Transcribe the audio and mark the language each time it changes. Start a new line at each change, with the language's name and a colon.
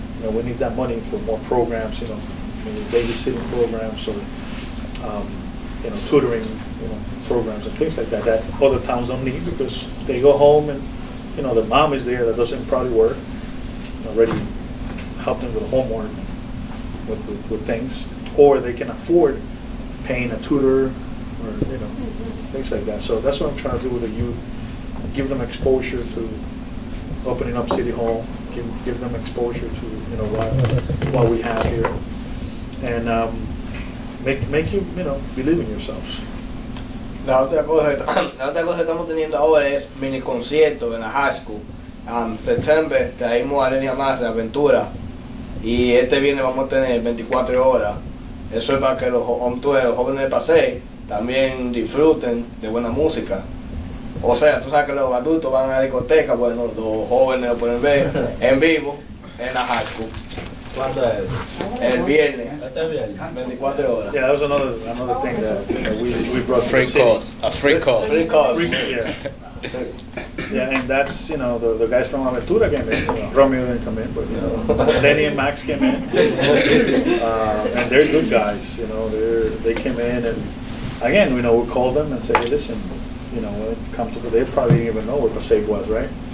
English: We need that money for more programs, babysitting programs, or tutoring programs and things like that that other towns don't need, because they go home and the mom is there that doesn't probably work, already help them with the homework, with things, or they can afford paying a tutor or things like that. So that's what I'm trying to do with the youth: give them exposure to opening up City Hall, give them exposure to what we have here, and make you believe in yourselves.
Spanish: La otra cosa que estamos teniendo ahora es mini concierto en la high school. En septiembre traemos a Lenia Más de Aventura. Y este viernes vamos a tener 24 horas. Eso es para que los jóvenes de Passaic también disfruten de buena música. O sea, tú sabes que los adultos van a la discoteca, bueno, los jóvenes lo pueden ver en vivo en la high school. ¿Cuándo es? El viernes. 24 horas.
English: Yeah, that was another thing that we brought. A free course. Yeah, and that's, the guys from Aventura came in. Romeo didn't come in, but, Lenny and Max came in. And they're good guys, They came in, and again, we called them and said, hey, listen, when it comes to, they probably didn't even know what Passaic was, right?